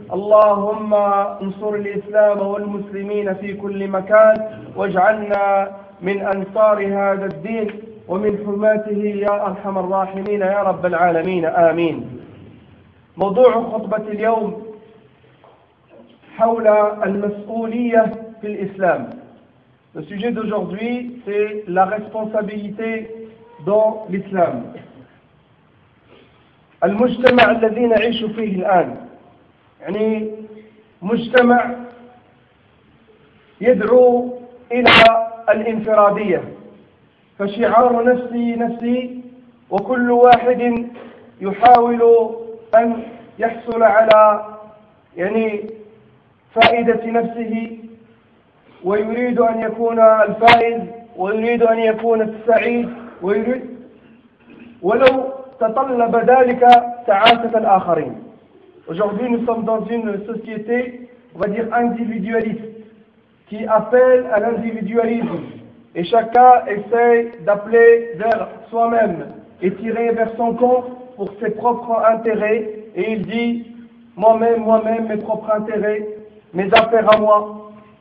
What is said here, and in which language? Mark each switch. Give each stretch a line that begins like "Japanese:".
Arabic: اللهم انصر الإسلام والمسلمين في كل مكان، واجعلنا من أنصار هذا الدين ومن حماته يا أرحم الراحمين يا رب العالمين، آمين. موضوع خطبة اليوم حول المسؤولية في الإسلام.
French: Le sujet d'aujourd'hui, c'est la responsabilité dans l'islam.
Arabic: المجتمع الذي نعيش فيه الآن يعني مجتمع يدعو إلى الانفرادية فشعار نفسي نفسي وكل واحد يحاول أن يحصل على يعني فائدة نفسه ويريد أن يكون الفائز ويريد أن يكون السعيد ويريد ولو تطلب ذلك تعاسة الآخرين.
French: Aujourd'hui nous sommes dans une société, on va dire individualiste, qui appelle à l'individualisme. Et chacun essaie d'appeler vers soi-même et tirer vers son compte pour ses propres intérêts. Et il dit, moi-même, moi-même, mes propres intérêts, mes affaires à moi.